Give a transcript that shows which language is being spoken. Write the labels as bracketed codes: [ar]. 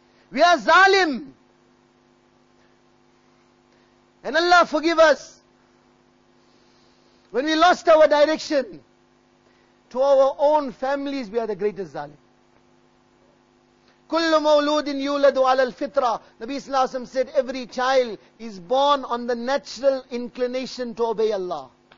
[en] We are zalim. And Allah forgive us, when we lost our direction, to our own families, we are the greatest zalim. [ar] كل مولود يولد على الفطرة. [en] Nabi Sallallahu Alaihi Wasallam said, every child is born on the natural inclination to obey Allah.